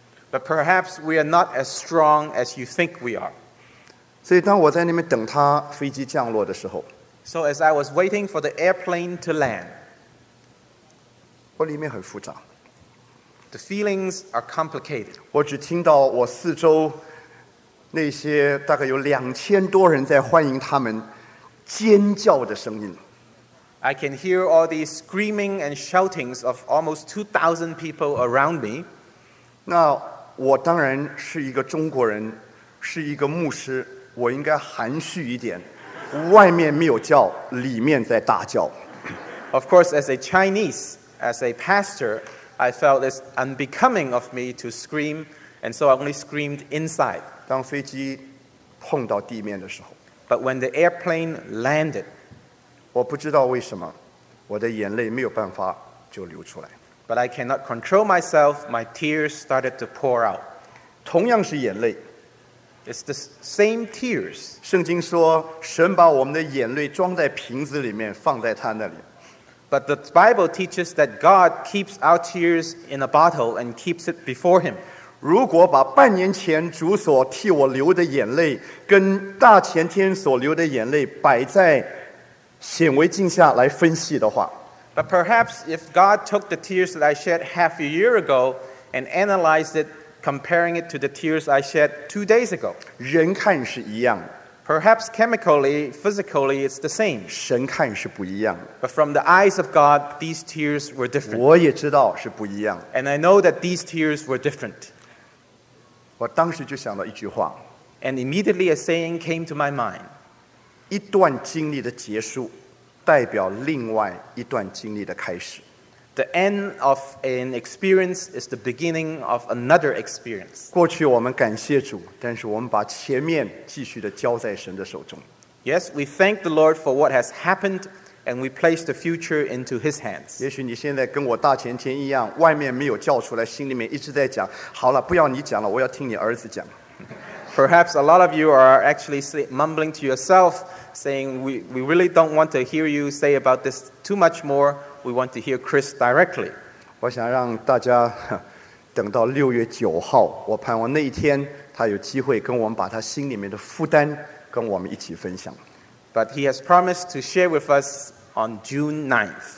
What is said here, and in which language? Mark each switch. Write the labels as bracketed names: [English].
[English] But perhaps we are not as strong as you think we are. [Chinese] 所以当我在那边等他飞机降落的时候 [English] ，So as I was waiting for the airplane to land. [Chinese] 我里面很复杂。 [English] The feelings are complicated. [Chinese] 我只听到我四周那些大概有2000多人在欢迎他们尖叫的声音。 [English] I can hear all the screaming and shoutings of almost 2,000 people around me. [Chinese] 那我当然是一个中国人，是一个牧师，我应该含蓄一点。外面没有叫，里面在大叫。 [English] Of course, as a Chinese. As a pastor, I felt it's unbecoming of me to scream, and so I only screamed inside. [Chinese] 当飞机碰到地面的时候 [English] But when the airplane landed, [Chinese] 我不知道为什么我的眼泪没有办法就流出来 [English] But I cannot control myself, my tears started to pour out. [Chinese] 同样是眼泪 [English] It's the same tears. [Chinese] 圣经说神把我们的眼泪装在瓶子里面放在他那里 [English] But the Bible teaches that God keeps our tears in a bottle and keeps it before Him. [Chinese] 如果把半年前主所替我流的眼泪跟大前天所流的眼泪摆在显微镜下来分析的话 [English] But perhaps if God took the tears that I shed half a year ago and analyzed it, comparing it to the tears I shed 2 days ago. [Chinese] 人看是一样的。 [English] Perhaps chemically, physically, it's the same. [Chinese] 神看是不一样的。 [English] But from the eyes of God, these tears were different. [Chinese] 我也知道是不一样的。 [English] And I know that these tears were different. [Chinese] 我当时就想到一句话。 [English] And immediately a saying came to my mind. [Chinese] 一段经历的结束代表另外一段经历的开始。 [English] The end of an experience is the beginning of another experience. [Chinese] 过去我们感谢主，但是我们把前面继续的交在神的手中。 [English] Yes, we thank the Lord for what has happened, and we place the future into His hands. [Chinese] 也许你现在跟我大前天一样，外面没有叫出来，心里面一直在讲，好了，不要你讲了，我要听你儿子讲。 [English] Perhaps a lot of you are actually mumbling to yourself, saying, we really don't want to hear you say about this too much more. We want to hear Chris directly. [Chinese] 我想让大家等到6月9号，我盼望那一天他有机会跟我们把他心里面的负担跟我们一起分享。 [English] But he has promised to share with us on June 9th.